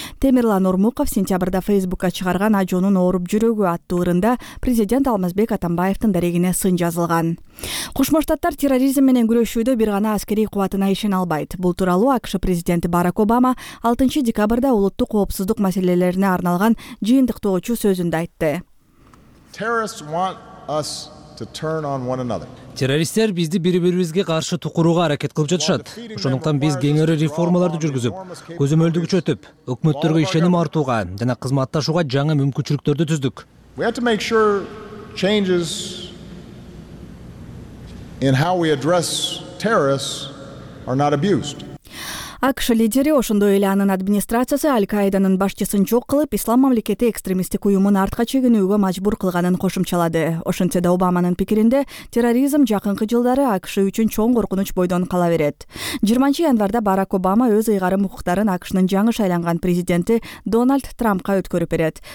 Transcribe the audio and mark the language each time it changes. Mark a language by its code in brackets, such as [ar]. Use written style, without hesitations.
[ky] Темирлан Ормуков сентябрда Facebook'ка чыгарган Ажонун ооруп жүрөгү аттуу ырында президент Алмазбек Атамбаевдин дарегине сын жазылган. Кошмо Штаттар терроризм менен күрөшүүдө бир гана аскерий кубатына ишен албайт. Бул тууралуу АКШ президенти Барак Обама 6-декабрда улуттук коопсуздук маселелерине арналган жыйынтыктоочу сөзүндө айтты. [en] Terrorists want us to turn on one another. [ky] Террористтер бизди бири-бирибизге каршы тукурууга аракет кылып жатышат. Ошондуктан биз кең өрө реформаларды жүргүзүп, көзөмөлдү күчөтүп, өкмөттөргө ишеним артууга жана кызматташууга жаңы мүмкүнчүлүктөрдү түздүк. [en] We have to make sure changes in how we address terrorists are not abused. [ky] АКШ лидери ошондой эле анын администрациясы Аль-Каиданын башчысын жок кылып, Ислам мамлекети экстремисттик уюмун артка чегинүүгө мажбур кылганын кошумчалады. Ошентсе да Обаманын пикиринде терроризм жакынкы жылдары АКШ үчүн чоң коркунуч бойдон кала берет. 20 январда Барак Обама өз ыйгарым укуктарын АКШнын жаңы шайланган президенти Дональд Трампка өткөрүп берет.